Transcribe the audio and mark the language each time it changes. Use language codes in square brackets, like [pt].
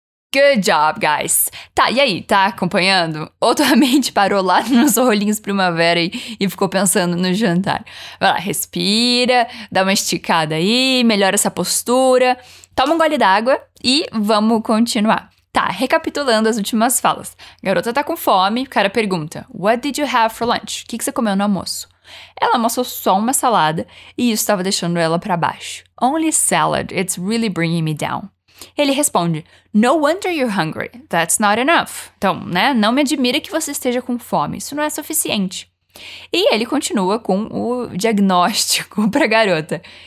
[en] Good job, guys! [pt] Tá, e aí, tá acompanhando? Ou tua mente parou lá nos rolinhos primavera e ficou pensando no jantar? Vai lá, respira, dá uma esticada aí, melhora essa postura, toma um gole d'água e vamos continuar. Tá, recapitulando as últimas falas. Garota tá com fome, o cara pergunta, [en] what did you have for lunch? [pt] O que você comeu no almoço? Ela almoçou só uma salada e isso estava deixando ela pra baixo. [en] Only salad, it's really bringing me down. [pt] Ele responde, [en] no wonder you're hungry, that's not enough. [pt] Então, né, não me admira que você esteja com fome, isso não é suficiente. E ele continua com o diagnóstico para a garota.